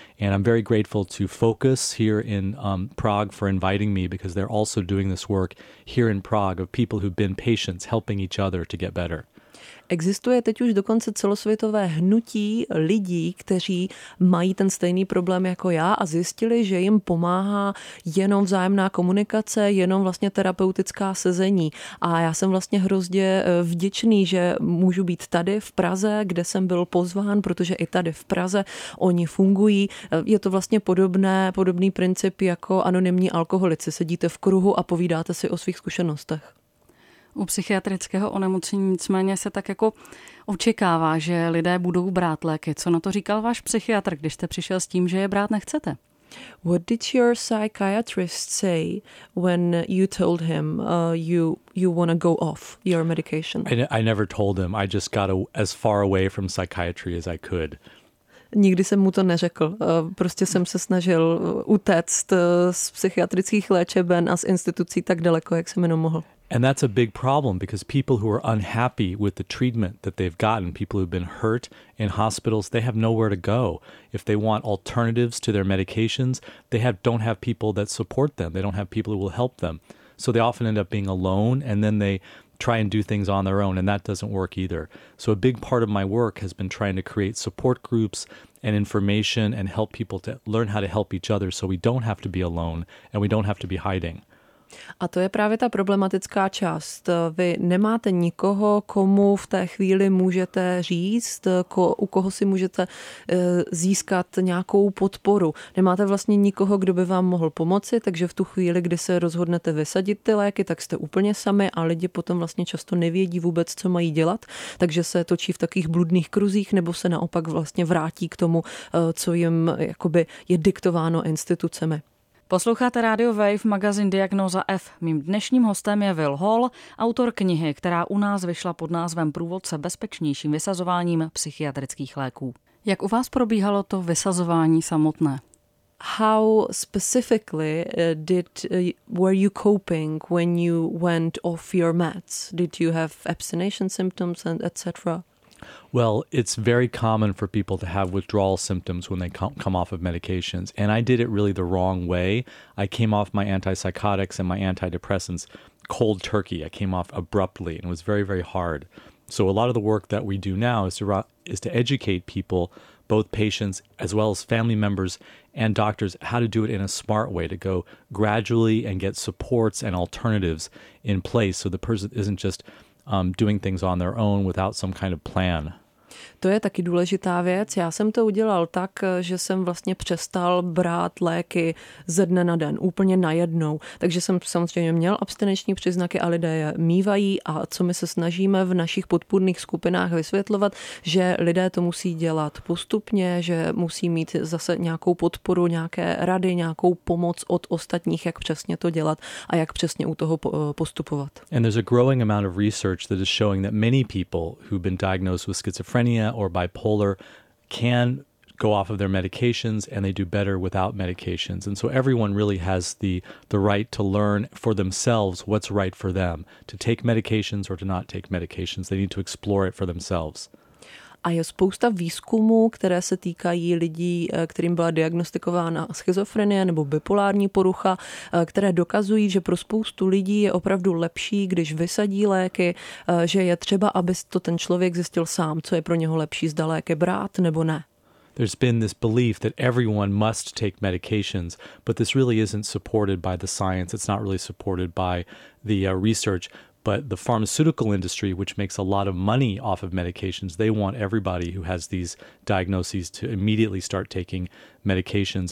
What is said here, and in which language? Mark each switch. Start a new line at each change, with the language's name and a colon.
English: And I'm very grateful to Focus here in Prague for inviting me because they're also doing this work here in Prague of people who've been patients helping each other to get better.
Czech: Existuje teď už dokonce celosvětové hnutí lidí, kteří mají ten stejný problém jako já a zjistili, že jim pomáhá jenom vzájemná komunikace, jenom vlastně terapeutická sezení. A já jsem vlastně hrozně vděčný, že můžu být tady v Praze, kde jsem byl pozván, protože i tady v Praze oni fungují. Je to vlastně podobný princip jako anonymní alkoholici. Sedíte v kruhu a povídáte si o svých zkušenostech. U psychiatrického onemocnění nicméně se tak jako očekává, že lidé budou brát léky. Co na to říkal váš psychiatr, když jste přišel s tím, že je brát nechcete?
English: What did your psychiatrist say when you told him you want to go off your medication? I never told him. I just got as far away from psychiatry as I could.
Czech: Nikdy jsem mu to neřekl. Prostě jsem se snažil utéct z psychiatrických léčeben a z institucí tak daleko, jak jsem jenom mohl.
English: And that's a big problem because people who are unhappy with the treatment that they've gotten, people who've been hurt in hospitals, they have nowhere to go. If they want alternatives to their medications, they don't have people that support them. They don't have people who will help them. So they often end up being alone and then they try and do things on their own and that doesn't work either. So a big part of my work has been trying to create support groups and information and help people to learn how to help each other so we don't have to be alone and we don't have to be hiding.
Czech: A to je právě ta problematická část. Vy nemáte nikoho, komu v té chvíli můžete říct, u koho si můžete získat nějakou podporu. Nemáte vlastně nikoho, kdo by vám mohl pomoci, takže v tu chvíli, kdy se rozhodnete vysadit ty léky, tak jste úplně sami a lidi potom vlastně často nevědí vůbec, co mají dělat, takže se točí v takových bludných kruzích nebo se naopak vlastně vrátí k tomu, co jim jakoby je diktováno institucemi. Posloucháte Radio Wave, magazín Diagnóza F. Mým dnešním hostem je Will Hall, autor knihy, která u nás vyšla pod názvem Průvodce bezpečnějším vysazováním psychiatrických léků. Jak u vás probíhalo to vysazování samotné?
English: How specifically were you coping when you went off your meds? Did you have abstinence symptoms and etc.? Well, it's very common for people to have withdrawal symptoms when they come off of medications. And I did it really the wrong way. I came off my antipsychotics and my antidepressants cold turkey. I came off abruptly and it was very, very hard. So a lot of the work that we do now is to educate people, both patients as well as family members and doctors, how to do it in a smart way, to go gradually and get supports and alternatives in place so the person isn't just doing things on their own without some kind of plan.
Czech: To je taky důležitá věc. Já jsem to udělal tak, že jsem vlastně přestal brát léky ze dne na den, úplně najednou. Takže jsem samozřejmě měl abstinenční příznaky a lidé je mívají a co my se snažíme v našich podpůrných skupinách vysvětlovat, že lidé to musí dělat postupně, že musí mít zase nějakou podporu, nějaké rady, nějakou pomoc od ostatních, jak přesně to dělat a jak přesně u toho postupovat.
English: And there's a growing amount of research that is showing that many people who've been diagnosed with schizophrenia or bipolar can go off of their medications and they do better without medications. And so everyone really has the right to learn for themselves what's right for them, to take medications or to not take medications. They need to explore it for themselves.
Czech: A je spousta výzkumů, které se týkají lidí, kterým byla diagnostikována schizofrenie nebo bipolární porucha, které dokazují, že pro spoustu lidí je opravdu lepší, když vysadí léky, že je třeba, aby to ten člověk zjistil sám, co je pro něho lepší, zda léky brát nebo ne.
English: There's been this belief that everyone must take medications, but this really isn't supported by the science. It's not really supported by the research. But the pharmaceutical industry, which makes a lot of money off of medications, they want everybody who has these diagnoses to immediately start taking medications.